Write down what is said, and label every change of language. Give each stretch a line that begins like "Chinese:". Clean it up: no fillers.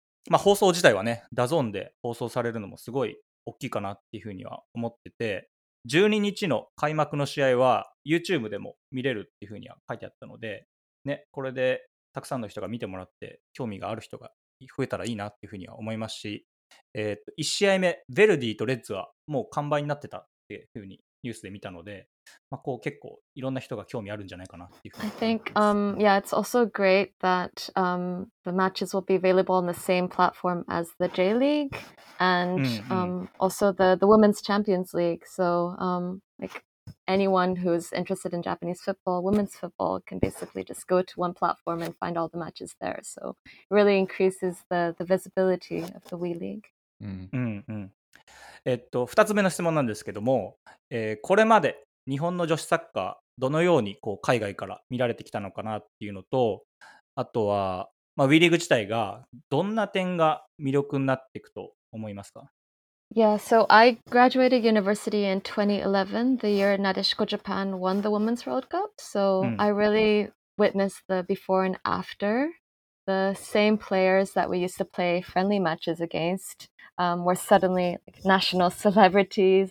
Japanese: まあ放送自体はねダゾーンで放送されるのもすごい大きいかなっていうふうには思ってて、12日の開幕の試合は YouTube でも見れるっていうふうには書いてあったので、ね、これでたくさんの人が見てもらって興味がある人が増えたらいいなっていうふうには思いますし、1試合目ヴェルディとレッズはもう完売になってたっていうふうにニュースで見たので、まあ、こう結構いろんな人が興味あるんじゃないかなっていうふうに思います。
English: I think, yeah, it's also great that, the matches will be available on the same platform as the J League and, also the Women's Champions League. So, like anyone who's interested in Japanese football, women's football can basically just go to one platform and find all the matches there. So, it really increases the visibility of the WEリーグ.
Japanese: 2つ目の質問なんですけども、これまで日本の女子サッカーどのようにこう海外から見られてきたのかなっていうのと、あとは、まあ、WEリーグ自体がどんな点が魅力になっていくと思いますか？
English: Yeah, so I graduated university in 2011, the year Nadeshiko Japan won the Women's World Cup. So、うん、I really witnessed the before and after. The same players that we used to play friendly matches against、were suddenly like, national celebrities.